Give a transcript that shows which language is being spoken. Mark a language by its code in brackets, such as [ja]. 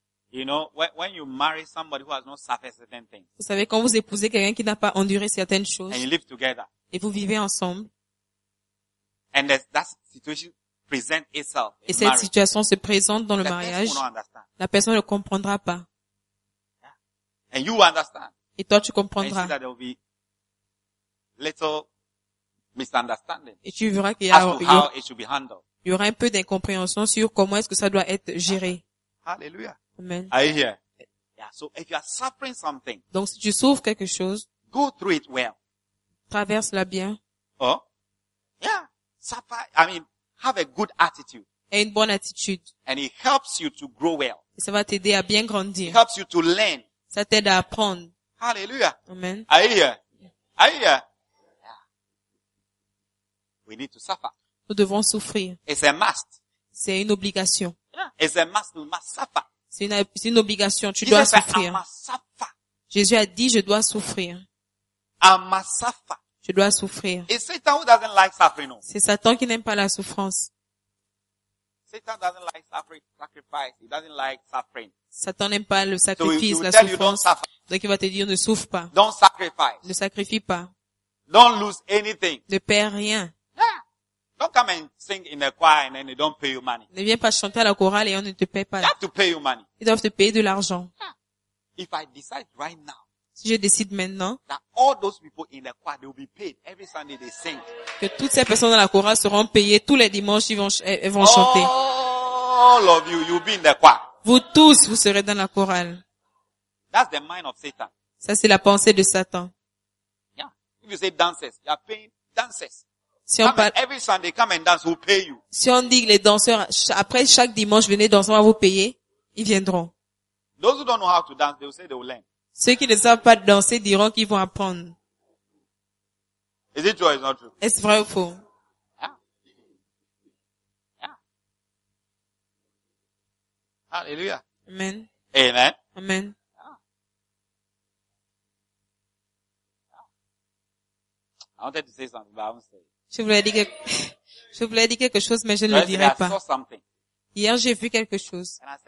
[en] You know, when you marry somebody who has not suffered certain things. [fr] Vous savez, quand vous épousez quelqu'un qui n'a pas enduré certaines choses. [en] And you live together. [fr] Et vous vivez ensemble. [en] And that situation presents itself. [fr] Et cette situation se présente dans le mariage. La personne ne comprendra pas. [en] Yeah. And you understand. [fr] Et toi, tu comprendras. [en] And you see that there will be little misunderstanding. [fr] Et tu verras qu'il y, y aura un peu d'incompréhension sur comment est-ce que ça doit être géré. [en] Hallelujah. Amen. Are you here? Yeah. So if you are suffering something, [fr] donc si tu souffres quelque chose, [en] go through it well. [fr] Traverse-la bien. [en] Oh. Yeah. Suffer. I mean, have a good attitude. [fr] Et une bonne attitude. [en] And it helps you to grow well. [fr] Et ça va t'aider à bien grandir. [en] It helps you to learn. [fr] Ça t'aide à apprendre. [en] Hallelujah. Amen. Are you here? Are you here? We need to suffer. [fr] Nous devons souffrir. [en] It's a must. [fr] C'est une obligation. [en] Yeah. It's a must. We must suffer. [fr] C'est une obligation. Tu [en] Jesus [fr] dois [en] said, [fr] souffrir. [en] I must suffer. [fr] Jésus a dit, je dois souffrir. [en] I must suffer. [fr] Je dois souffrir. [en] It's Satan who doesn't like suffering. No. [fr] C'est Satan qui n'aime pas la souffrance. [en] Satan doesn't like suffering. Sacrifice. He doesn't like suffering. [fr] Satan n'aime pas le sacrifice, [en] so [fr] la souffrance. [en] You, don't [fr] donc il va te dire, ne souffre pas. [en] Don't sacrifice. [fr] Ne sacrifie pas. [en] Don't lose anything. [fr] Ne perds rien. [en] Don't come and sing in a choir and then they don't pay you money. [fr] Ne viens pas chanter à la chorale et on ne te paye pas. [en] They have to pay you money. [fr] Ils doivent te payer de l'argent. [en] Yeah. If I decide right now, [fr] si je décide maintenant, [en] that all those people in the choir they will be paid every Sunday they sing. [fr] Que toutes ces personnes dans la chorale seront payées tous les dimanches ils vont [en] all [fr] chanter. [en] All of you, you'll be in the choir. [fr] Vous tous, vous serez dans la chorale. [en] That's the mind of Satan. [fr] Ça c'est la pensée de Satan. [en] Yeah. If you say dancers, you are paying dancers. [fr] Si on parle, [en] every Sunday, come and dance, we'll pay you. [fr] Si on dit que les danseurs, après chaque dimanche, venez danser, on va vous payer, ils viendront. [en] Those who don't know how to dance, they'll say they'll learn. [fr] Ceux qui ne savent pas danser diront qu'ils vont apprendre. [en] Is it true or is not true? [fr] Est-ce vrai ou faux? [en] Yeah. Yeah. Hallelujah. Amen. Amen. Amen. Yeah. I wanted to say something, but I won't say it. [fr] Je voulais dire quelque chose, mais je ne le dirai pas. Hier, j'ai vu quelque chose.